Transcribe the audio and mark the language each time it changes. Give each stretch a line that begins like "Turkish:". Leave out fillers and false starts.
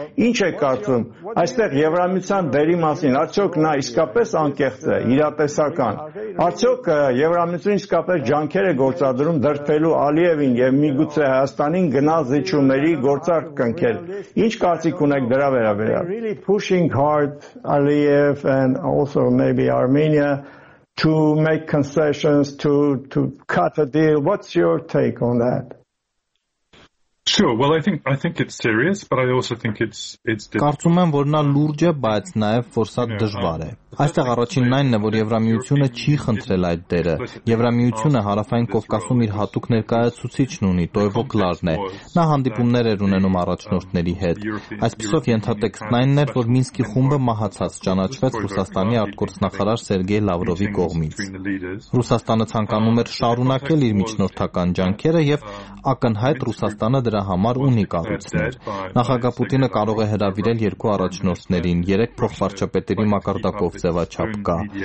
Armenian: Ինչ եք կարծում այստեղ Եվրամիության դերի մասին, արդյոք նա իսկապես անկեղծ է, իրատեսական, արդյոք Եվրամիությունը իսկապես ջանքեր է գործադրում դրդի Ֆելու Ալիևին եւ միգուցե Հայաստանին գնալ զիջումների գործարք կնքել։ Ինչ կարծիք ունեք դրա վերաբերյալ?
English: Really pushing hard Aliyev and also maybe Armenia to make concessions to cut a deal. What's your take on that? Sure. Well, I think it's serious, but I also think it's
Armenian: Կարծում եմ, որ նա լուրջ է, բայց նաև որսա դժվար է։ Այստեղ առաջինն այնն է, որ Եվրամիությունը չի խնդրել այդ դերը։ Եվրամիությունը հարավային Կովկասում իր հատուկ ներկայացուցիչն ունի, Տոևո Կլարնե։ Նա հանդիպումներ էր ունենում առաջնորդների հետ։ Այսպիսով ենթատեքստն այնն էր, որ Մինսկի խումբը մահացած ճանաչվեց Ռուսաստանի արտգործնախարար Սերգեյ Լավրովի կողմից։ Ռուսաստանը ցանկանում էր շարունակել իր միջնորդական ջանքերը, և ակնհայտ Ռուսաստանը դրա համար ունի կարուցներ։ Նախագահ Պուտինը կարող է հրավիրել երկու առաջնորդներին, երեք փոխվարչապետերի մակարդակով ձևաչափ կա,